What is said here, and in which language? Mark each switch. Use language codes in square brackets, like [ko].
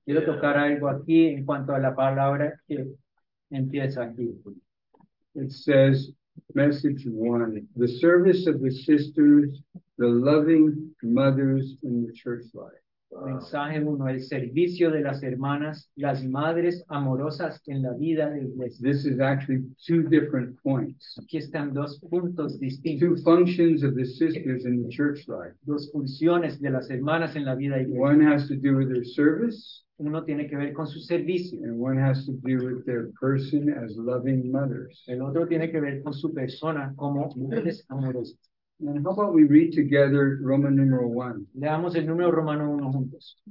[es] Quiero tocar algo aquí en cuanto a la palabra que empieza aquí. [en] It says, message one, the service of the sisters, the loving mothers in the church life. Wow. [es] Mensaje uno, el servicio de las hermanas, las madres amorosas en la vida de iglesia. [en] This is actually two different points. [es] Aquí están dos puntos distintos. [en] Two functions of the sisters in the church life. [es] Dos funciones de las hermanas en la vida de iglesia. [en] One has to do with their service. [es] Uno tiene que ver con su servicio. [en] And one has to do with their person as loving mothers. [es] El otro tiene que ver con su persona como mujeres amorosas. [en] And how about we read together Roman numeral 1? [es] Leamos el número romano 1 juntos.